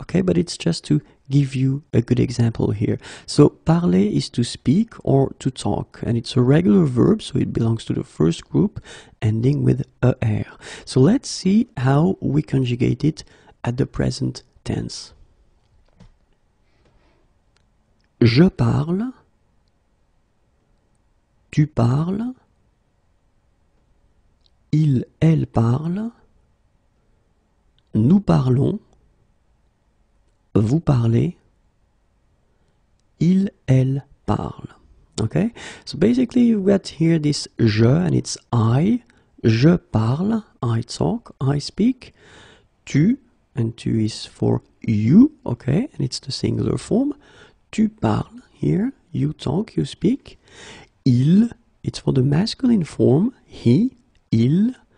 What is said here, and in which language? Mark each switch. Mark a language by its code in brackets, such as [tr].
[en] Okay, but it's just to give you a good example here. So parler is to speak or to talk, and it's a regular verb, so it belongs to the first group ending with er. So let's see how we conjugate it at the present tense. [fr] Je parle, tu parles, il, elle parle, nous parlons, vous parlez, il, elle parle. [en] Okay, so basically you get here this je and it's I, je parle, I talk, I speak, tu, and tu is for you, okay, and it's the singular form. Tu parles, here, you talk, you speak. Il, it's for the masculine form, he, il,